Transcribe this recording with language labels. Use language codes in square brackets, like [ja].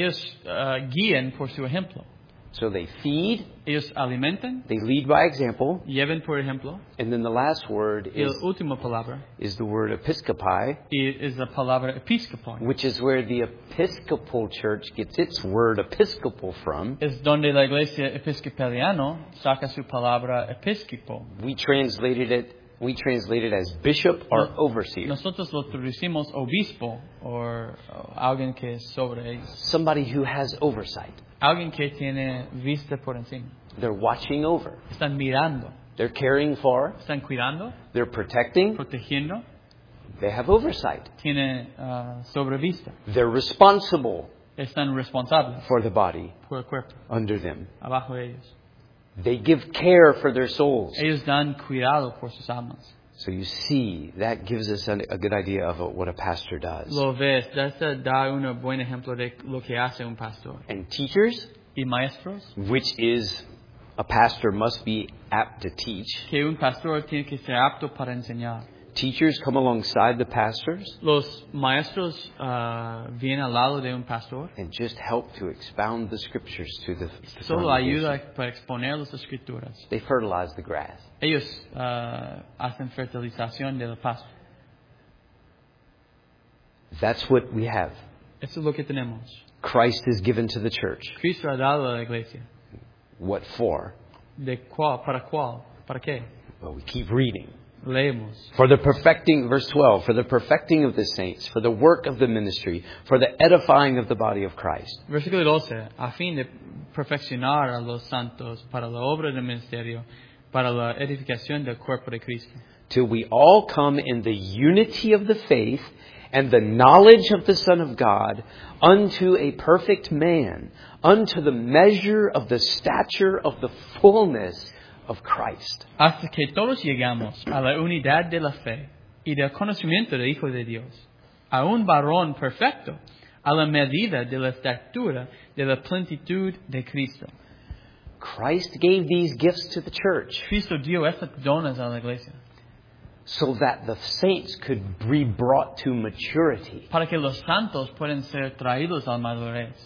[es] Ellos guían por su ejemplo. [en] So they feed. [es] Ellos alimentan. [en] They lead by example. [es] Lleven por ejemplo. [en] And then the last word is. [es] La última palabra. [en] Is the word episcopi. Is the [es] palabra episcopon. [en] Which is where the Episcopal Church gets its word episcopal from. [es] Es donde la iglesia episcopaliano saca su palabra episcopo. [en] We translated it as bishop or overseer. [es] Nosotros lo traducimos obispo or alguien que es sobre ellos. [en] Somebody who has oversight. [es] Alguien que tiene vista por encima. [en] They're watching over. [es] Están mirando. [en] They're caring for. [es] Están cuidando. [en] They're protecting. [es] Protegiendo. [en] They have oversight. [es] Tiene sobrevista. [en] They're responsible. [es] Están responsables. [en] For the body. [es] Por el cuerpo. [en] Under them. [es] Abajo de ellos. [en] They give care for their souls. [es] Ellos dan cuidado por sus almas. [en] So you see, that gives us a good idea of what a pastor does. [es] Lo ves, eso da un buen ejemplo de lo que hace un pastor. [en] And teachers, [es] y maestros, [en] which is a pastor must be apt to teach. [es] Que un pastor tiene que ser apto para enseñar. [en] Teachers come alongside the pastors. [es] Los maestros vienen al lado de un pastor. [en] And just help to expound the scriptures to the. [es] Solo ayuda para exponer las escrituras. [en] They fertilize the grass. [es] Ellos hacen fertilización del pasto. [en] That's what we have. [es] Eso es lo que tenemos. [en] Christ is given to the church. [es] Cristo ha dado a la iglesia. [en] What for? [es] De cuál, para cuál, para qué? [en] Well, we keep reading. [es] Leemos. [en] For the perfecting, verse 12, for the perfecting of the saints, for the work of the ministry, for the edifying of the body of Christ. [es] Versículo 12, a fin de perfeccionar a los santos para la obra del ministerio, para la edificación del cuerpo de Cristo. [en] Till we all come in the unity of the faith and the knowledge of the Son of God unto a perfect man, unto the measure of the stature of the fullness of Christ. [es] Hasta que todos llegamos a la unidad de la fe y del conocimiento del Hijo de Dios, a un varón perfecto, a la medida de la estatura de la plenitud de Cristo. [en] Christ gave these gifts to the church. [es] Cristo dio estas dones a la iglesia. [en] So that the saints could be brought to maturity. [es] Para que los santos puedan ser traídos a madurez.